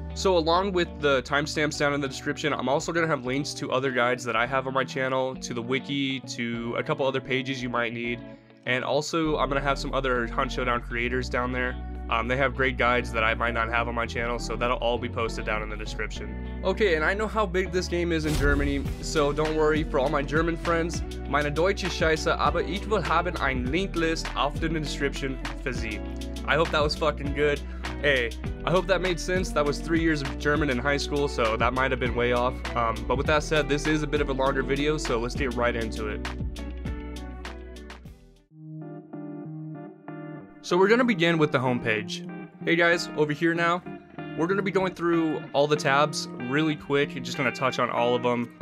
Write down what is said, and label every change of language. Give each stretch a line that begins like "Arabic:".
English: So along with the timestamps down in the description, I'm also going to have links to other guides that I have on my channel, to the wiki, to a couple other pages you might need, and also I'm going to have some other Hunt Showdown creators down there. They have great guides that I might not have on my channel, so that'll all be posted down in the description. Okay, and I know how big this game is in Germany, so don't worry, for all my German friends,
German: meine deutsche Scheiße, aber ich will haben ein Linklist auf den Description für Sie.
English: I hope that was fucking good. Hey, I hope that made sense. That was 3 years of German in high school, so that might have been way off. But with that said, this is a bit of a longer video, so let's get right into it. So we're gonna begin with the homepage. Hey guys, over here now, we're gonna be going through all the tabs really quick and just gonna touch on all of them.